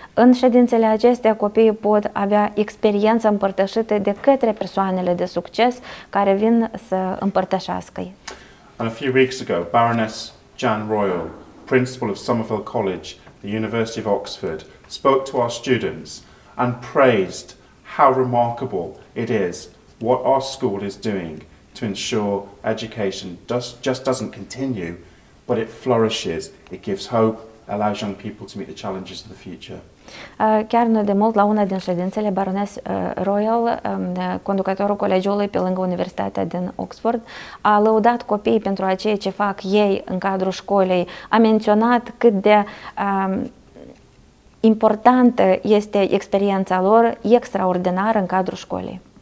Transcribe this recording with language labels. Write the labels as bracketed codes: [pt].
[ro] În ședințele acestea copiii pot avea experiențe împărtășite de către persoanele de succes care vin să împărtășească. [en] And a few weeks ago, Baroness Jan Royal, principal of Somerville College, the University of Oxford, spoke to our students and praised how remarkable it is what our school is doing to ensure education just doesn't continue, but it flourishes, it gives hope, allows young people to meet the challenges of the future. [ro] Chiar nu de mult, la una din ședințele, Baroness Royal, conducătorul colegiului pe lângă Universitatea din Oxford, a lăudat copiii pentru ceea ce fac ei în cadrul școlii, a menționat cât de importantă este experiența lor extraordinară în cadrul școlii.